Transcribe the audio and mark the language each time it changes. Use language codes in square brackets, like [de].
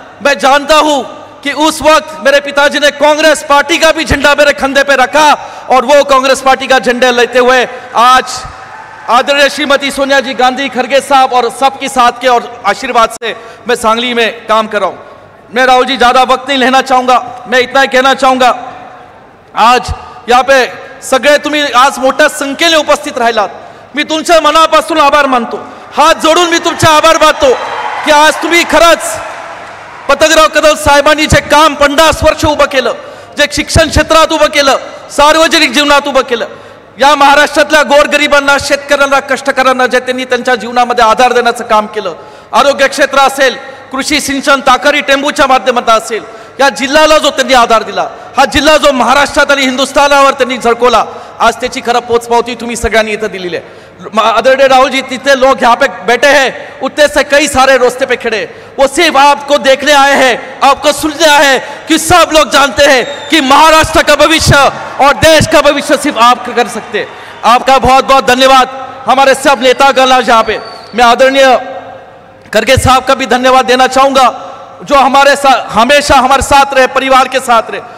[hi] मैं जानता हूँ कि उस वक्त मेरे पिताजी ने कांग्रेस पार्टी का भी झंडा मेरे कंधे पे रखा और वो कांग्रेस पार्टी का झंडा लेते हुए आज आदरणीय श्रीमती सोनिया जी गांधी, खड़गे साहब और सबके साथ के और आशीर्वाद से मैं सांगली में काम कर रहा हूँ। मैं राहुल जी ज़्यादा वक्त नहीं लेना चाहूँगा, मैं इतना ही कहना चाहूँगा आज यहाँ पे [mr] सगळे तुम्ही आज मोठ्या संख्येने उपस्थित राहिलात। मी तुमच्या मनापासून आभार मानतो, हात जोडून मी तुमचे आभार मानतो की आज तुम्ही खरंच पतंगराव कदम साहेबांनी जे काम 50 वर्ष उभं केलं, जे शिक्षण क्षेत्रात उभं केलं, सार्वजनिक जीवनात उभं केलं, या महाराष्ट्रातल्या गोरगरिबांना, शेतकऱ्यांना, कष्टकऱ्यांना जे त्यांनी त्यांच्या जीवनामध्ये आधार देण्याचं काम केलं, आरोग्य क्षेत्र असेल, कृषी सिंचन, ताकारी टेंबूच्या माध्यमातून असेल, या जिल्ह्याला जो त्यांनी आधार दिला, हा जिल्हा जो महाराष्ट्रात आणि हिंदुस्थानावर त्यांनी झळकवला, आज त्याची खरं पोचपावती तुम्ही सगळ्यांनी इथं दिलेली आहे. [hi] अदर डे राहुल जी, इतने लोग यहाँ पे बैठे हैं, उतने से कई सारे रोस्ते पे खड़े, वो सिर्फ आपको देखने आए हैं, आपको सुनने आए हैं, कि सब लोग जानते हैं कि महाराष्ट्र का भविष्य और देश का भविष्य सिर्फ आप कर सकते. आपका बहुत बहुत धन्यवाद. हमारे सब नेतागण आज यहाँ पे, मैं आदरणीय करके साहब का भी धन्यवाद देना चाहूंगा, जो हमारे साथ हमेशा हमारे साथ रहे, परिवार के साथ रहे.